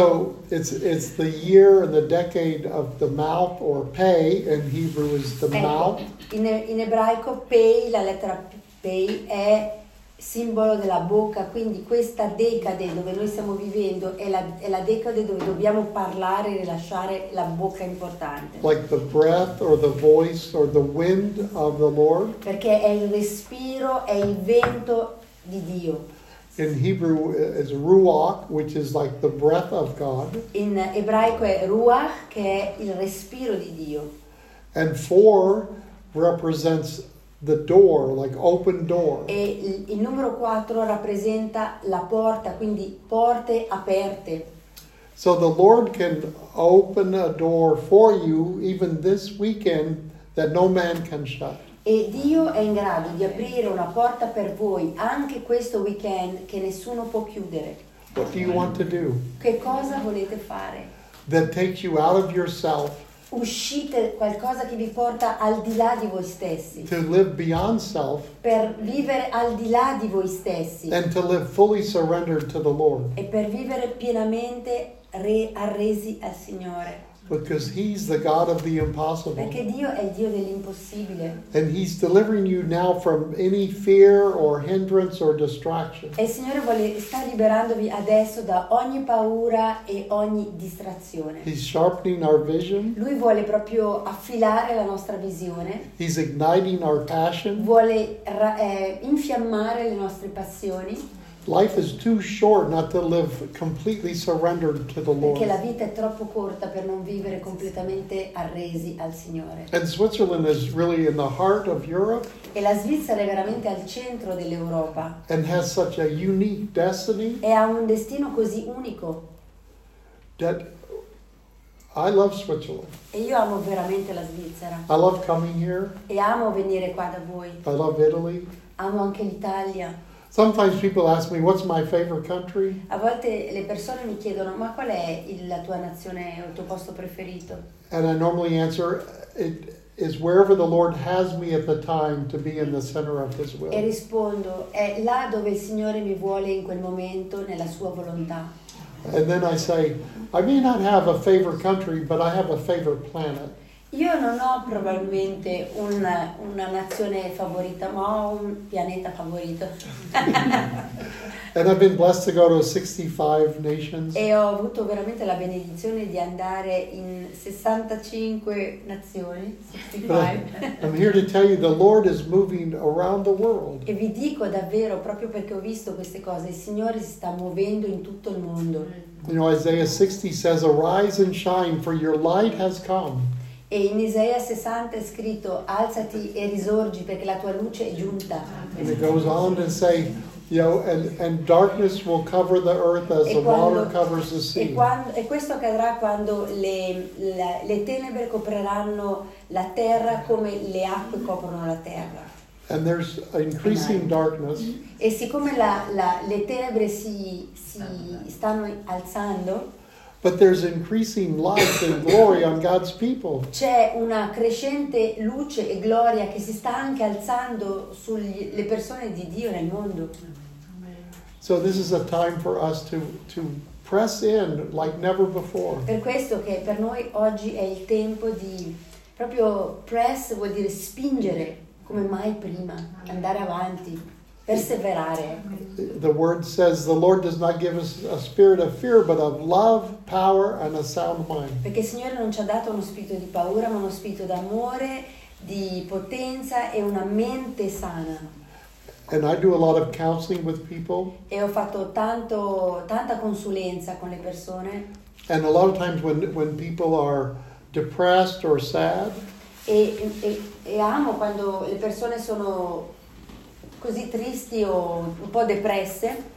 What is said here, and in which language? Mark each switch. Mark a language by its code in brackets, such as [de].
[en] So it's the year and the decade of the mouth or pei in Hebrew is the mouth. [it] In ebraico pei, la lettera pei è simbolo della bocca, quindi questa decade dove noi stiamo vivendo è la decade dove dobbiamo parlare e rilasciare la bocca importante. [en] Like the breath or the voice or the wind of the Lord. [it] Perché è il respiro, è il vento di Dio. [en] In Hebrew is ruach, which is like the breath of God. [it] In ebraico è ruach, che è il respiro di Dio. [en] And four represents the door, like open door. [it] E il numero quattro rappresenta la porta, quindi porte aperte. [en] So the Lord can open a door for you even this weekend that no man can shut. [it] E Dio è in grado di aprire una porta per voi anche questo weekend che nessuno può chiudere. [en] What do you want to do? [it] Che cosa volete fare? [en] That takes you out of yourself. [it] Uscite qualcosa che vi porta al di là di voi stessi. [en] To live beyond self. [it] Per vivere al di là di voi stessi. [en] And to live fully surrendered to the Lord. [it] E per vivere pienamente arresi al Signore. [en] Because he's the God of the impossible. [it] Perché Dio è il Dio dell'impossibile. [en] And he's delivering you now from any fear or hindrance or distraction. [it] E il Signore sta liberandovi adesso da ogni paura e ogni distrazione. [en] He's sharpening our vision. [it] Lui vuole proprio affilare la nostra visione. [en] He's igniting our passion. [it] Vuole infiammare le nostre passioni. [en] Life is too short not to live completely surrendered to the Lord. [it] Perché la vita è troppo corta per non vivere completamente arresi al Signore. [en] And Switzerland is really in the heart of Europe. [it] E la Svizzera è veramente al centro dell'Europa. [en] And has such a unique destiny. [it] E ha un destino così unico. [en] That I love Switzerland. [it] E io amo veramente la Svizzera. [en] I love coming here. [it] E amo venire qua da voi. [en] I love Italy. [it] Amo anche l'Italia. [en] Sometimes people ask me, what's my favorite country? [it] A volte le persone mi chiedono, ma qual è la tua nazione, il tuo posto preferito? [en] And I normally answer, it is wherever the Lord has me at the time to be in the center of His will. [it] E rispondo, è là dove il Signore mi vuole in quel momento, nella sua volontà. [en] And then I say, I may not have a favorite country, but I have a favorite planet. [it] Io non ho probabilmente una nazione favorita, ma ho un pianeta favorito. [en] And I've been blessed to go to 65 nations. [it] E ho avuto veramente la benedizione di andare in 65 nazioni. 65. [en] I'm here to tell you the Lord is moving around the world. [it] E vi dico davvero, proprio perché ho visto queste cose, il Signore si sta muovendo in tutto il mondo. [en] You know, Isaiah 60 says, arise and shine, for your light has come. [it] E in Isaia 60 è scritto, alzati e risorgi perché la tua luce è giunta. [en] And it goes on to say, you know, and darkness will cover the earth as the water covers the sea. [it] E questo accadrà quando le tenebre copriranno la terra come le acque coprono la terra. [en] And there's increasing darkness. [it] E siccome le tenebre si stanno alzando. [en] But there's increasing light and glory on God's people. [it] C'è una crescente luce e gloria che si sta anche alzando sulle persone di Dio nel mondo. [en] So this is a time for us to press in like never before. [it] Per questo che per noi oggi è il tempo di proprio press, vuol dire spingere come mai prima, andare avanti. Perseverare. [en] The word says the Lord does not give us a spirit of fear, but of love, power, and a sound mind. [it] Perché il Signore non ci ha dato uno spirito di paura, ma uno spirito d'amore, di potenza e una mente sana. [en] And I do a lot of counseling with people. [it] E ho fatto tanta consulenza con le persone. [en] And a lot of times when people are depressed or sad. [it] E amo quando le persone sono così tristi o un po' depresse.